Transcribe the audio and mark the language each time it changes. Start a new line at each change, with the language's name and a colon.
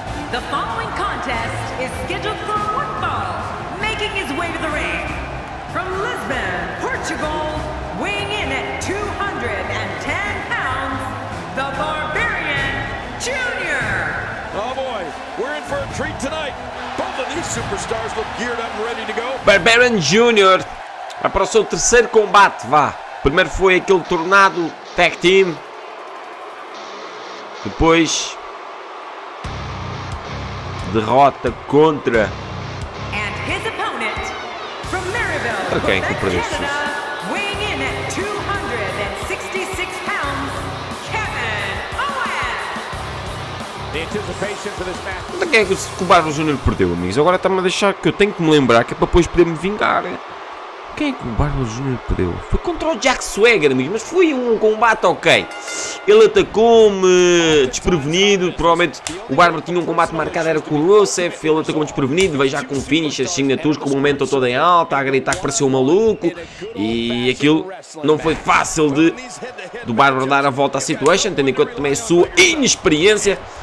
English: The following contest is scheduled for one fall, making his way to the ring from Lisbon, Portugal, weighing in at 210 pounds, the Barbarian Junior. Oh boy, we're in for a treat tonight. Both of these superstars look geared up and ready to go.
Portuguese: Barbarian Junior vai para o seu terceiro combate, vá. Primeiro foi aquele tornado tag team. Depois, derrota contra.
English: And his opponent from Maryville, okay, Quebec, Canada, weighing in at 266 pounds, Kevin Owens. The anticipation for this match.
Portuguese: Onde é que é que o Bárbaro Júnior perdeu, amigos? Agora está-me a deixar que eu tenho que me lembrar, que é para depois poder me vingar. Quem é que o Bárbaro Júnior perdeu? Foi contra o Jack Swagger, amigos, mas foi um combate ok. Ele atacou-me desprevenido, provavelmente o Bárbaro tinha um combate marcado, era com o Rusev, ele atacou-me desprevenido, veio já com finishers, signatures, com o momento todo em alta, a gritar que pareceu maluco, e aquilo não foi fácil do Bárbaro dar a volta à situation, tendo em conta também a sua inexperiência.